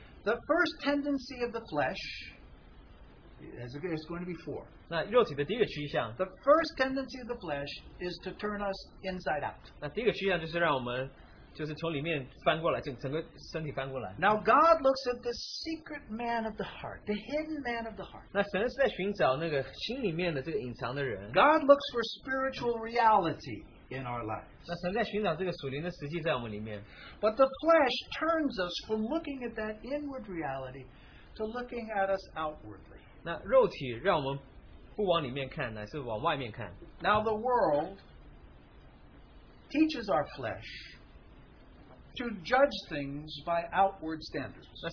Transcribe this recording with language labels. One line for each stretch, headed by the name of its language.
English: The first tendency of the flesh is going to be four.
Chinese: 那肉体的第一个趋向。
English: The first tendency of the flesh is to turn us inside out.
Chinese: 那第一个趋向就是让我们就是从里面翻过来，整个身体翻过来。
English: Now God looks at the secret man of the heart, the hidden man of the heart.
Chinese: 那神是在寻找那个心里面的这个隐藏的人。
English: God looks for spiritual reality in our lives.
Chinese: 那神在寻找这个属灵的实际在我们里面。
English: But the flesh turns us from looking at that inward reality to looking at us outwardly.
Chinese: 那肉体让我们不往里面看，乃是往外面看。
English: Now the world teaches our flesh to judge things by outward standards.